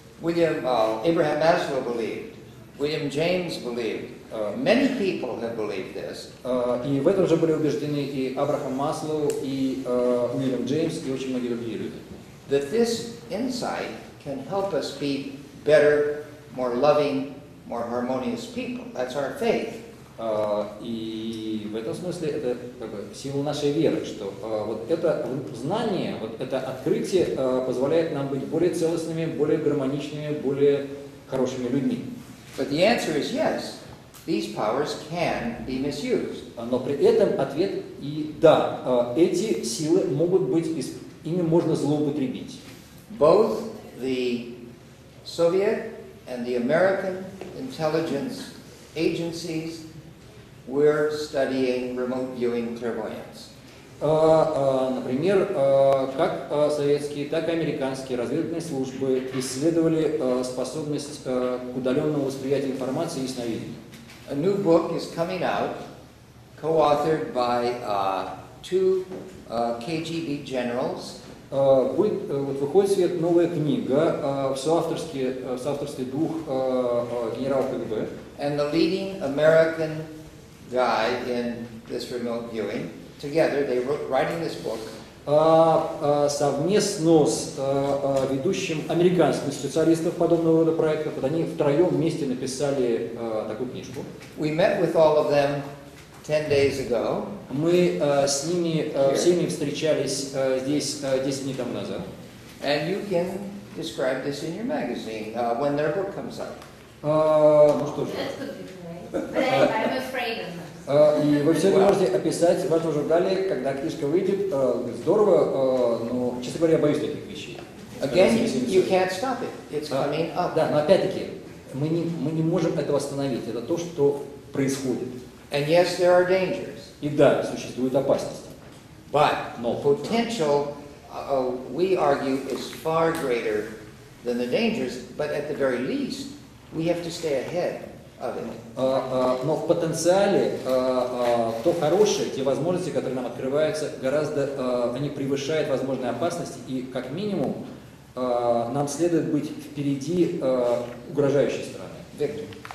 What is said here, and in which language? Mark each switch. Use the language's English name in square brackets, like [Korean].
[English] Abraham Maslow believed, William James believed, many people have believed this. [Russian] И в этом же были убеждены и Абрахам Маслоу, и Уильям Джеймс, и очень многие другие люди. [English] That this insight can help us be better, more loving, more harmonious people. That's our faith. [Russian] И в этом смысле это как бы символ нашей веры, что вот это знание, вот это открытие позволяет нам быть более целостными, более гармоничными, более хорошими людьми. [English] But the answer is yes, these powers can be misused. [Russian] Но при этом ответ и да, эти силы могут быть, ими можно злоупотребить. [English] Both the Soviet and the American intelligence agencies, we're studying remote viewing clairvoyance. [Russian] Например, как советские, так и американские разведывательные службы исследовали способность к удаленному восприятию информации и сновидения. [English] A new book is coming out, co-authored by two KGB generals. [Russian] Вот выходит в свет новая книга в соавторстве двух генералов КГБ. [English] And the leading American guy in this remote viewing. Together, they wrote writing this book. [Russian] Совместно с ведущим американским специалистом подобного рода проектов, вот они втроем вместе написали такую книжку. [English] We met with all of them 10 days ago. [Russian] Мы с ними всеми встречались здесь 10 дней тому назад. [English] And you can describe this in your magazine when their book comes out. [Russian] Ну что же. [English] That's good, right? But I'm afraid of them. [Russian] И вы все это можете описать в вашем журнале, когда книжка выйдет. Здорово, но, честно говоря, я боюсь таких вещей. [English] Again, you can't stop it. It's coming up. [Russian] Да, но опять-таки, мы не можем этого остановить. Это то, что происходит. [English] And yes, there are dangers. [Russian] И да, существуют опасности. [English] But the potential, we argue, is far greater than the dangers. But at the very least, we have to stay ahead. [Russian] Но в потенциале то хорошее, те возможности, которые нам открываются, гораздо они превышают возможные опасности, и как минимум нам следует быть впереди угрожающей стороны.